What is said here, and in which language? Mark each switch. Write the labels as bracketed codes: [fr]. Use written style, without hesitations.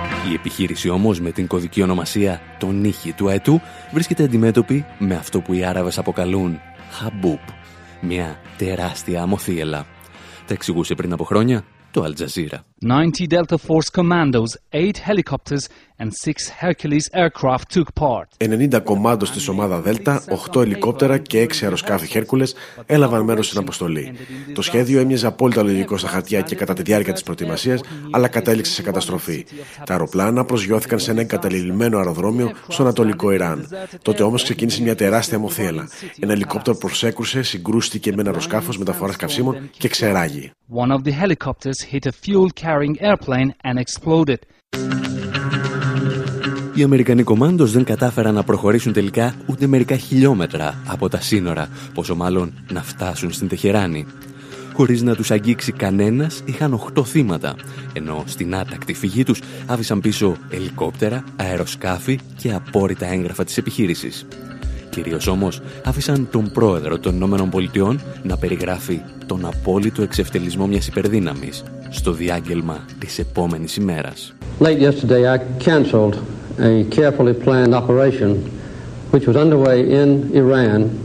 [el] Η επιχείρηση όμως με την κωδική ονομασία «Το νύχι του αετού» βρίσκεται αντιμέτωπη με αυτό που οι Άραβες αποκαλούν «Χαμπούπ», μια τεράστια αμοθύελα. Τα εξηγούσε πριν από χρόνια το Al Jazeera. [en] 90 Delta Force commandos, 8 helicopters and 6 Hercules aircraft took part. [el] 90 κομμάντος της ομάδας Δέλτα, 8 ελικόπτερα και 6 αεροσκάφη Hercules έλαβαν μέρος στην αποστολή. Το σχέδιο έμοιαζε απόλυτα λογικό στα χαρτιά και κατά τη διάρκεια της προετοιμασίας, αλλά κατέληξε σε καταστροφή. Τα αεροπλάνα προσγειώθηκαν σε ένα εγκαταλειμμένο αεροδρόμιο στο ανατολικό Ιράν. Τότε όμως ξεκίνησε μια τεράστια αιμοθύελα. Ένα ελικόπτερο προσέκρουσε, συγκρούστηκε με ένα αεροσκάφος μεταφοράς καυσίμων και ξεράγει. [en] One of the helicopters hit a fuel-carrying airplane and exploded. [el] Οι Αμερικανοί κομάντος δεν κατάφεραν να προχωρήσουν τελικά ούτε μερικά χιλιόμετρα από τα σύνορα, πόσο μάλλον να φτάσουν στην Τεχεράνη. Χωρίς να τους αγγίξει κανένας, είχαν 8 θύματα, ενώ στην άτακτη φυγή τους άφησαν πίσω ελικόπτερα, αεροσκάφη και απόρριτα έγγραφα της επιχείρησης. Κυρίως όμως άφησαν τον πρόεδρο των Ηνωμένων Πολιτειών να περιγράφει τον απόλυτο εξευτελισμό μιας υπερδύναμης στο διάγγελμα της επόμενης ημέρας. [en] Late yesterday I canceled a carefully planned operation which was underway in Iran.